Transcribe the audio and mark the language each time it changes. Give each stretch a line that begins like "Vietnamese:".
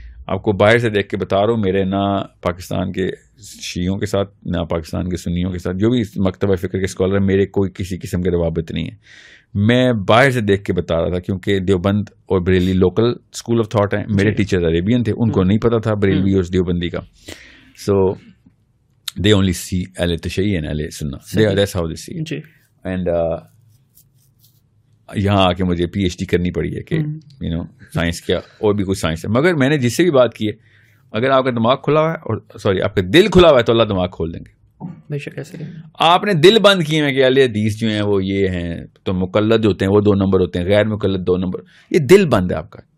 Urdu: آپ کو باہر سے دیکھ کے بتا رہا ہوں, میرے نہ پاکستان کے شیعوں کے ساتھ, نہ پاکستان کے سنیوں کے ساتھ, جو بھی مکتبہ فکر کے اسکالر ہیں, میرے کوئی کسی قسم کے روابط نہیں ہیں. میں باہر سے دیکھ کے بتا رہا تھا کیونکہ دیوبند اور Bareilly local school of thought ہیں. میرے ٹیچر عربین تھے, ان کو نہیں پتا تھا بریلی اور دیوبندی کا.
English: So they only see اہل تشیع and اہل سنہ, they are that's how they see.
Urdu: And یہاں آ کے مجھے پی ایچ ڈی کرنی پڑی ہے کہ یو نو سائنس کیا اور بھی کچھ سائنس ہے. مگر میں نے جس سے بھی بات کی ہے, اگر آپ کا دماغ کھلا ہوا ہے اور سوری آپ کا دل کھلا ہوا ہے تو اللہ دماغ کھول دیں گے. بے شک ایسے آپ نے دل بند کیے ہیں کہ اہل حدیث جو ہیں وہ یہ ہیں, تو مقلد ہوتے ہیں وہ دو نمبر ہوتے ہیں, غیر مقلد دو نمبر, یہ دل بند ہے آپ کا.